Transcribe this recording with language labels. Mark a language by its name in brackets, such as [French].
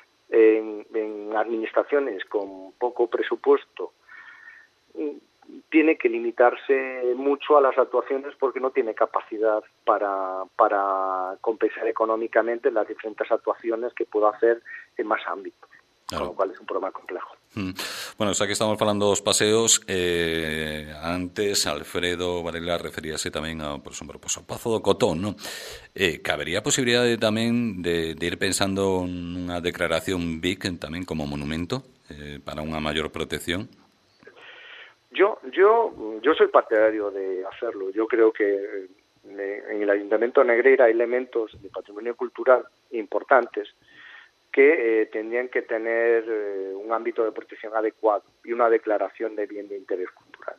[Spanish] En administraciones con poco presupuesto tiene que limitarse mucho a las actuaciones porque no tiene capacidad para compensar económicamente las diferentes actuaciones que puedo hacer en más ámbitos. Claro. Con lo cual es un problema complejo. [Galician] Bueno, xa que estamos falando dos paseos, antes Alfredo Varela referíase tamén ao, por exemplo, pues, ao Pazo do Cotón, ¿no? Cabería a posibilidad de, tamén de ir pensando unha declaración BIC tamén como monumento para unha maior protección? [Spanish] Yo soy partidario de hacerlo. Yo creo que en el Ayuntamiento de Negreira hai elementos de patrimonio cultural importantes que tendrían que tener un ámbito de protección adecuado y una declaración de bien de interés cultural.